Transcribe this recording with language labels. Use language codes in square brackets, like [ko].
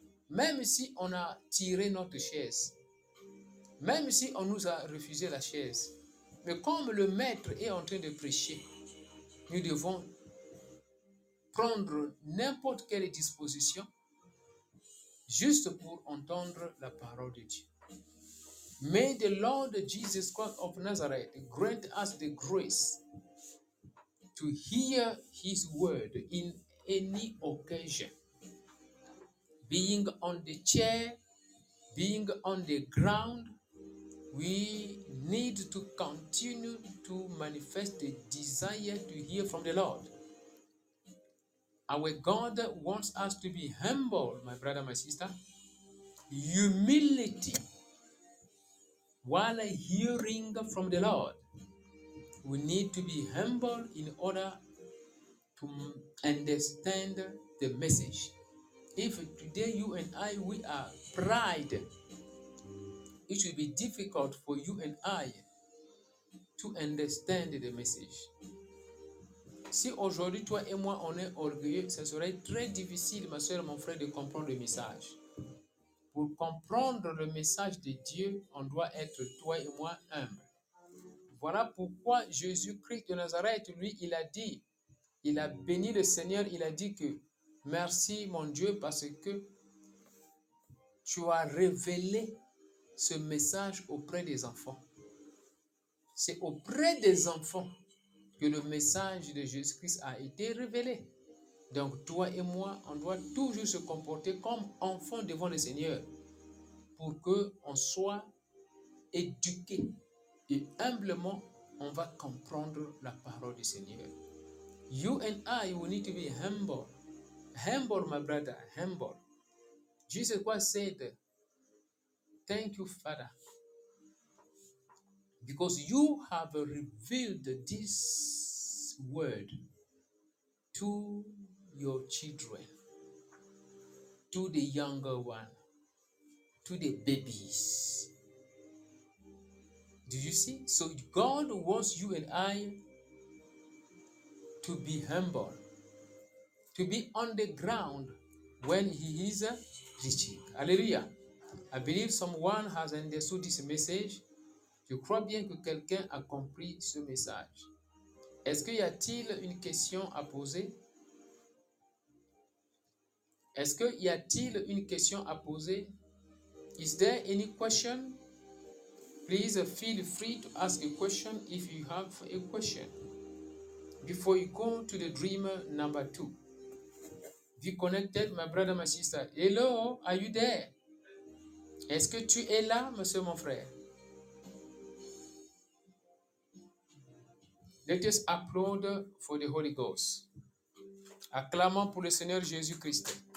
[fr] Même si on a tiré notre chaise, même si on nous a refusé la chaise, mais comme le maître est en train de prêcher, nous devons prendre n'importe quelle disposition juste pour entendre la parole de Dieu. [en] May the Lord Jesus Christ of Nazareth grant us the grace to hear his word in any occasion, being on the chair, being on the ground. We need to continue to manifest the desire to hear from the Lord. Our God wants us to be humble, my brother, my sister. Humility while hearing from the Lord. We need to be humble in order to understand the message. If today you and I, we are pride, it will be difficult for you and I to understand the message. [fr] Si aujourd'hui, toi et moi, on est orgueilleux, ce serait très difficile, ma soeur, mon frère, de comprendre le message. Pour comprendre le message de Dieu, on doit être, toi et moi, humble. Voilà pourquoi Jésus-Christ de Nazareth, lui, il a dit, il a béni le Seigneur, il a dit que, merci mon Dieu, parce que tu as révélé ce message auprès des enfants. C'est auprès des enfants que le message de Jésus-Christ a été révélé. Donc toi et moi, on doit toujours se comporter comme enfants devant le Seigneur pour qu'on soit éduqué et humblement, on va comprendre la parole du Seigneur. [en] You and I, we need to be humble. Humble, my brother, humble. Jesus Christ said, thank you, Father, because you have revealed this word to your children, to the younger one, to the babies. Do you see? So God wants you and I to be humble, to be on the ground when he is preaching. Hallelujah. I believe someone has understood this message. [fr] Je crois bien que quelqu'un a compris ce message. Est-ce qu'il y a-t-il une question à poser? Est-ce qu'il y a-t-il une question à poser? [en] Is there any question? Please feel free to ask a question if you have a question. Before you go to the dream number two. Be connected, my brother, my sister. Hello, are you there? [fr] Est-ce que tu es là, monsieur, mon frère? [en] Let us applaud for the Holy Ghost. [fr] Acclamons pour le Seigneur Jésus-Christ.